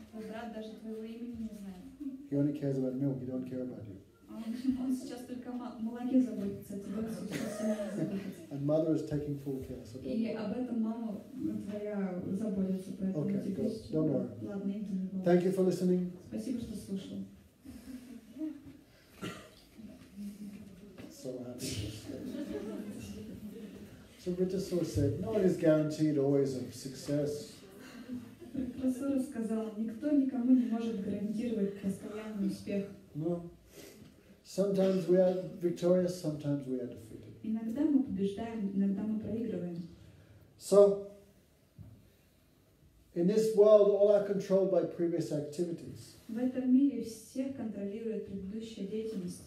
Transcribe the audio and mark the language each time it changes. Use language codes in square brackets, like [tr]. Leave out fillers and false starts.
[ru] Твой брат даже твоего имени не знает. [en] He only cares about milk, he don't care about you. [ru] Он сейчас только о молоке заботится, а тебе сейчас все равно заботится. [en] And mother is taking full care. So [ru] и об этом мама твоя заботится, поэтому [en] okay, [ru] теперь... [en] Okay, don't worry. [ru] Ладно, это не было. [en] Thank you for listening. [ru] Спасибо, что слушал. [en] So happy. So Vritasura said, no one is guaranteed always of success. [ru] Vritasura сказал, никто никому не может гарантировать постоянный успех. [en] No. Sometimes we are victorious, sometimes we are defeated. [ru] Иногда мы побеждаем, иногда мы проигрываем. [en] So, in this world, all are controlled by previous activities. [ru] В этом мире всех контролирует предыдущая деятельность.